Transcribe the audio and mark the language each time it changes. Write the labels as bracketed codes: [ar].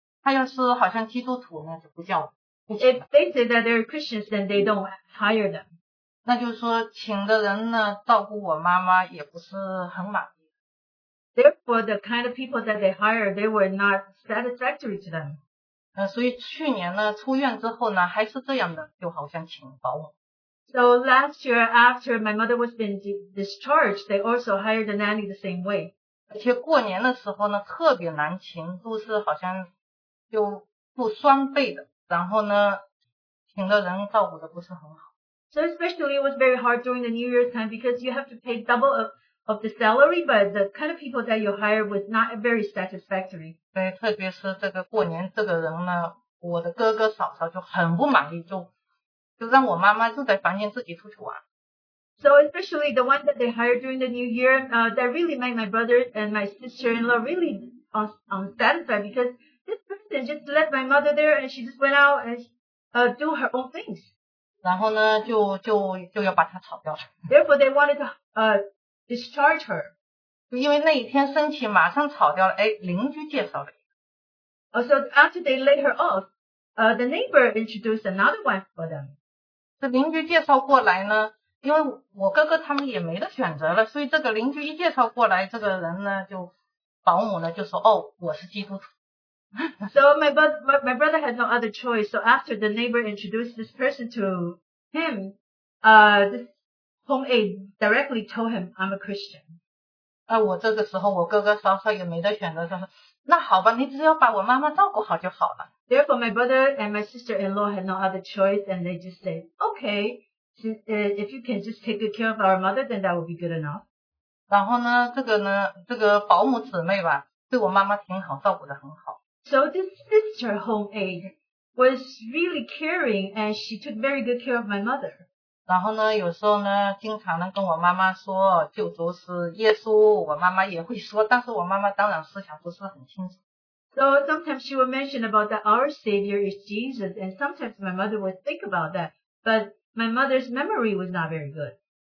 [zh] 他要是好像基督徒呢就不叫了。 [en] If they say that they're Christians, then they don't hire them. [zh] 那就是说请的人呢照顾我妈妈也不是很满意。 [en] Therefore, the kind of people that they hire, they were not satisfactory to them. [zh] 所以去年呢出院之后呢还是这样的，就好像请保姆。 [en] So last year, after my mother was being discharged, they also hired a nanny the same way. [zh] 而且过年的时候呢特别难请，都是好像就付双倍的，然后呢请的人照顾的不是很好。 [en] So especially it was very hard during the New Year's time because you have to pay double of the salary, but the kind of people that you hired was not very satisfactory. [zh] 对，特别是这个过年这个人呢，我的哥哥嫂嫂就很不满意，就让我妈妈住在房间自己出去玩。 [en] So especially the one that they hired during the New Year, that really made my brother and my sister-in-law really unsatisfied because this person just left my mother there and she just went out and do her own things. [zh] 然后呢就要把她炒掉了。 [en] Therefore they wanted to discharge her. [zh] 因为那一天申请马上炒掉了，哎，邻居介绍了。 [en] So after they laid her off,the neighbor introduced another wife for them. [zh] 这邻居介绍过来呢，因为我哥哥他们也没得选择了，所以这个邻居一介绍过来，这个人呢就保姆呢就说，哦，我是基督徒。 [en] So my brother had no other choice. So after the neighbor introduced this person to him, this home aide directly told him, I'm a Christian. [zh] 我这个时候我哥哥稍稍也没得选择，说那好吧，你只要把我妈妈照顾好就好了。 [en] Therefore, my brother and my sister-in-law had no other choice, and they just said, okay, if you can just take good care of our mother, then that would be good enough. [zh] 然后呢，这个保姆姊妹吧，对我妈妈挺好，照顾得很好。 [en] So this sister home aid was really caring, and she took very good care of my mother. [zh] 然后呢，有时候呢，经常呢跟我妈妈说，救主是耶稣，我妈妈也会说，但是我妈妈当然思想不是很清楚。 [en] So sometimes she would mention about that our Savior is Jesus, and sometimes my mother would think about that, but my mother's memory was not very good.